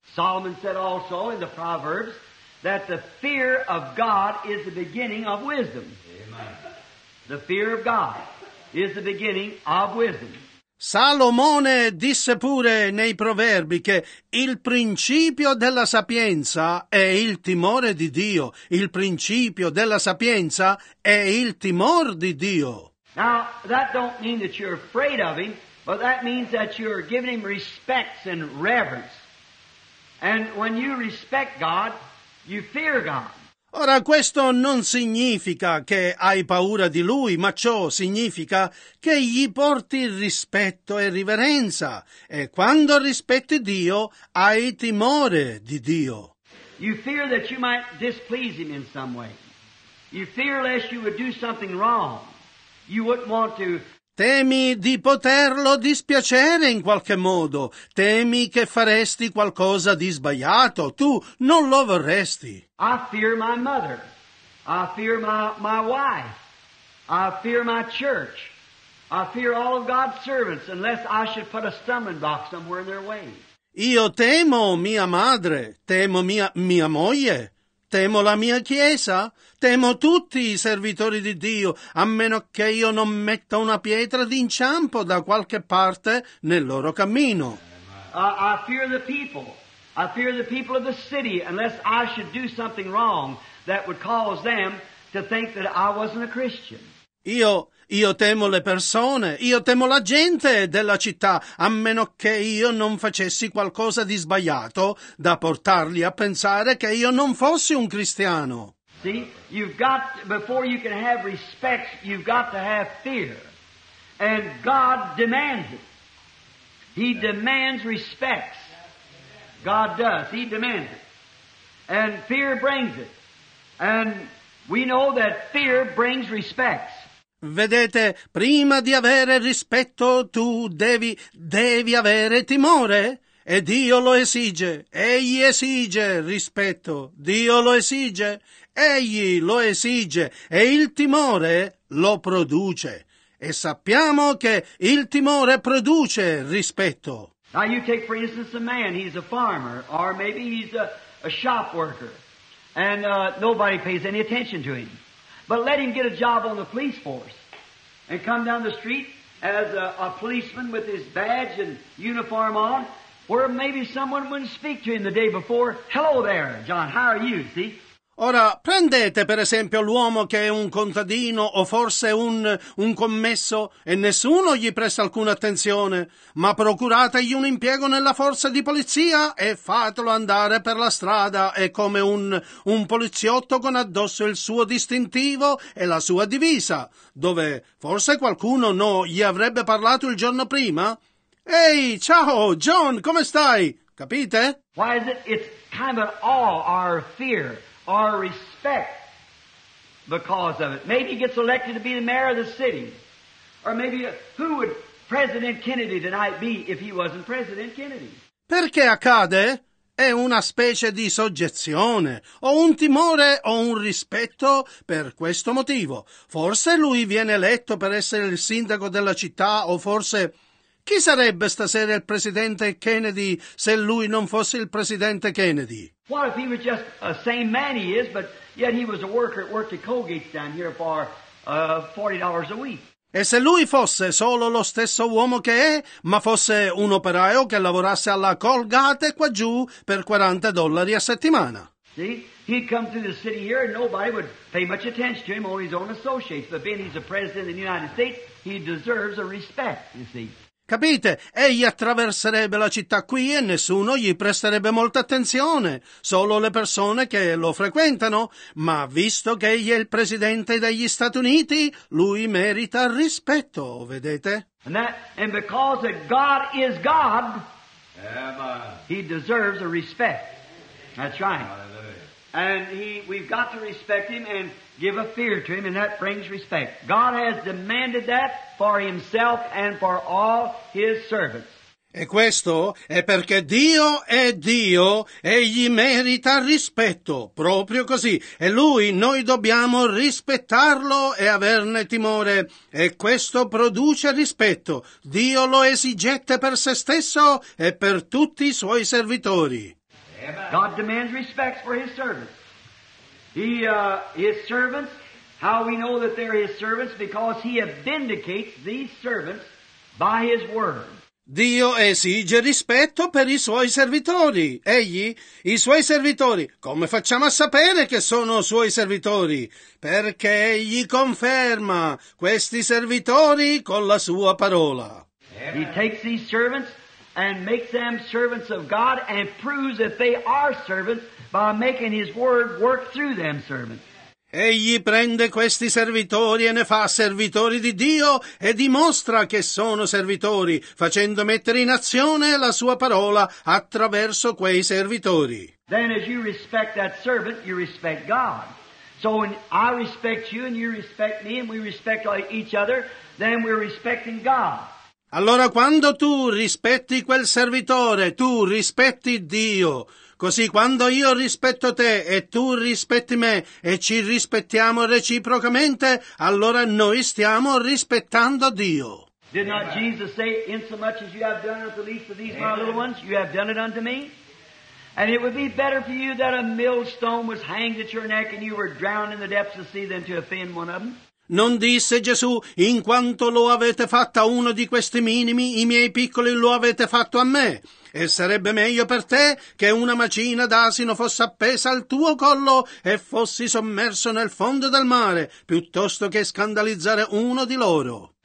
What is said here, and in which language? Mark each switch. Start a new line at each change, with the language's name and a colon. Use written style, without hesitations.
English: Solomon said also in the Proverbs that the fear of God is the beginning of wisdom. Amen. The fear of God is the beginning of wisdom.
Italian: Salomone disse pure nei Proverbi che il principio della sapienza è il timore di Dio. Il principio della sapienza è il timore di Dio.
English: Now, that don't mean that you're afraid of Him, but that means that you're giving Him respects and reverence. And when you respect God, you fear God.
Italian: Ora, questo non significa che hai paura di Lui, ma ciò significa che gli porti rispetto e riverenza. E quando rispetti Dio, hai timore di Dio.
English: You fear that you might displease Him in some way. You fear lest you would do something wrong. You wouldn't want to...
Italian: Temi di poterlo dispiacere in qualche modo. Temi che faresti qualcosa di sbagliato. Tu non lo vorresti.
English: I fear my mother. I fear my wife. I fear my church. I fear all of God's servants unless I should put a stumbling block somewhere in their way.
Italian: Io temo mia madre. Temo mia moglie. Temo la mia chiesa, temo tutti i servitori di Dio, a meno che io non metta una pietra d'inciampo da qualche parte nel loro cammino.
English: I fear the people. I fear the people of the city, unless I should do something wrong that would cause them to think that I wasn't a Christian.
Italian: Io temo le persone, io temo la gente della città, a meno che io non facessi qualcosa di sbagliato da portarli a pensare che io non fossi un cristiano.
English: See, you've got, before you can have respect, you've got to have fear. And God demands it. He demands respects. God does. He demands it. And fear brings it. And we know that fear brings respects.
Italian: Vedete, prima di avere rispetto tu devi avere timore, e Dio lo esige, egli esige rispetto, Dio lo esige, egli lo esige, e il timore lo produce, e sappiamo che il timore produce rispetto.
English: Now you take, for instance, a man. He's a farmer, or maybe he's a shop worker, and nobody pays any attention to him. But let him get a job on the police force and come down the street as a policeman with his badge and uniform on, where maybe someone wouldn't speak to him the day before. Hello there, John. How are you? See?
Italian: Ora, prendete per esempio l'uomo che è un contadino o forse un commesso e nessuno gli presta alcuna attenzione, ma procurategli un impiego nella forza di polizia e fatelo andare per la strada e come un poliziotto con addosso il suo distintivo e la sua divisa, dove forse qualcuno no gli avrebbe parlato il giorno prima. Ehi, ciao, John, come stai? Capite?
English: Why is it? It's kind of an awe or fear. Our respect because of it. Maybe he gets elected to be the mayor of the city. Or maybe who would President Kennedy tonight be if he wasn't President Kennedy?
Italian: Perché accade? È una specie di soggezione, o un timore, o un rispetto per questo motivo. Forse lui viene eletto per essere il sindaco della città, o forse... Chi sarebbe stasera il presidente Kennedy se lui non fosse il presidente Kennedy?
English: What if he was just the same man he is, but yet he was a worker at work at Colgate's down here for $40 a week?
Italian: E se lui fosse solo lo stesso uomo che è, ma fosse un operaio che lavorasse alla Colgate qua giù per $40 a settimana?
English: See, he'd come through the city here and nobody would pay much attention to him, only his own associates. But being he's a president of the United States, he deserves a respect, you see.
Italian: Capite? Egli attraverserebbe la città qui e nessuno gli presterebbe molta attenzione, solo le persone che lo frequentano. Ma visto che egli è il presidente degli Stati Uniti, lui merita rispetto, vedete?
English: And because God is God, he deserves a respect. That's right. Hallelujah. And we've got to respect him and give a fear to him, and that brings respect. God has demanded that for himself and for all his servants.
Italian: E questo è perché Dio è Dio e gli merita rispetto, proprio così. E lui, noi dobbiamo rispettarlo e averne timore. E questo produce rispetto. Dio lo esigette per se stesso e per tutti i suoi servitori.
English: God demands respect for his servants. His servants, how we know that they're his servants, because he vindicates these servants by his word.
Italian: Dio esige rispetto per i suoi servitori. Egli, i suoi servitori, come facciamo a sapere che sono suoi servitori? Perché egli conferma questi servitori con la sua parola.
English: He takes these servants and makes them servants of God and proves that they are servants by making his word work through them servants.
Italian: Egli prende questi servitori e ne fa servitori di Dio e dimostra che sono servitori, facendo mettere in azione la sua parola attraverso quei servitori.
English: Then as you respect that servant, you respect God. So when I respect you and you respect me and we respect each other, then we're respecting God.
Italian: Allora quando tu rispetti quel servitore, tu rispetti Dio. Così quando io rispetto te e tu rispetti me e ci rispettiamo reciprocamente, allora noi stiamo rispettando Dio.
English: Did not Jesus say, insomuch as you have done unto the least of these my little ones, you have done it unto me? And it would be better for you that a millstone was hanged at your neck and you were drowned in the depths of the sea than to offend one of them?
Italian: Non disse Gesù, in quanto lo avete fatto a uno di questi minimi, i miei piccoli lo avete fatto a me. E sarebbe meglio per te che una macina d'asino fosse appesa al tuo collo e fossi sommerso nel fondo del mare, piuttosto che scandalizzare uno di loro.